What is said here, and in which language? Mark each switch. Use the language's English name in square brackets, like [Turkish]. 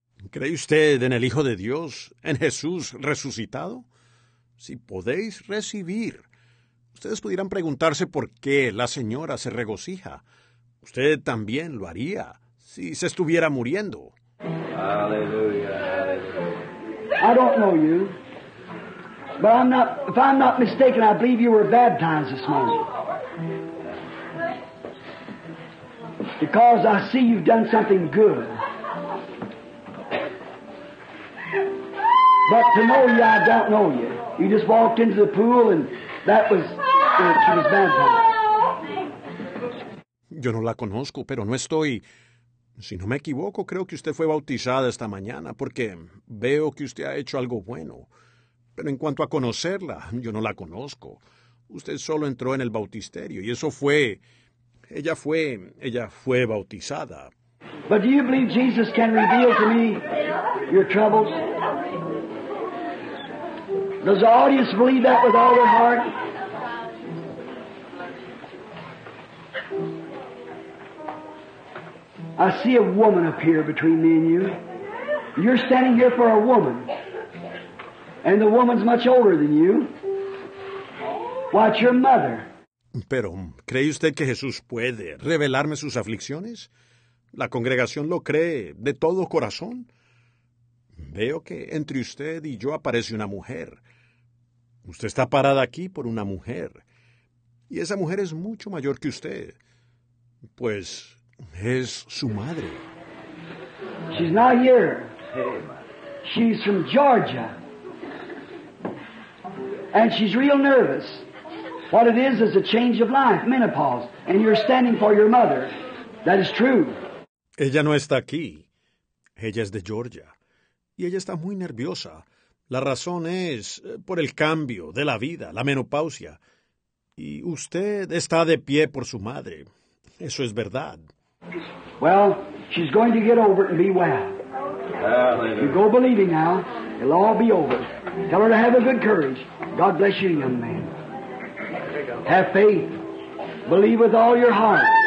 [Spanish] ¿Cree usted en el Hijo de Dios, en Jesús resucitado? Si podéis recibir, ustedes pudieran preguntarse por qué la señora se regocija. Usted también lo haría si se estuviera muriendo. Aleluya. [English] I don't know you, but if I'm not mistaken, I believe you were baptized this morning. Because I see you've done something good. But to know you, I don't know you. You just walked into the pool and that was, she was baptized. [Spanish] Yo no la conozco, pero no estoy... Si no me equivoco, creo que usted fue bautizada esta mañana, porque veo que usted ha hecho algo bueno. Pero en cuanto a conocerla, yo no la conozco. Usted solo entró en el bautisterio, y eso fue... Ella fue bautizada. [English] But do you believe Jesus can reveal to me your troubles? Does the audience believe that with all their heart? I see a woman up here between me and you. You're standing here for a woman. And the woman's much older than you. Why, it's your mother. [Spanish] Pero, ¿cree usted que Jesús puede revelarme sus aflicciones? ¿La congregación lo cree de todo corazón? Veo que entre usted y yo aparece una mujer. Usted está parada aquí por una mujer. Y esa mujer es mucho mayor que usted. Pues, es su madre. [English] She's not here. She's from Georgia. And she's real nervous. What it is a change of life, menopause. And you're standing for your mother. That is true. [Spanish] Ella no está aquí. Ella es de Georgia. Y ella está muy nerviosa. La razón es por el cambio de la vida, la menopausia. Y usted está de pie por su madre. Eso es verdad. [English] Well, she's going to get over it and be well. You go believing now. It'll all be over. Tell her to have a good courage. God bless you, young man. Have faith. Believe with all your heart.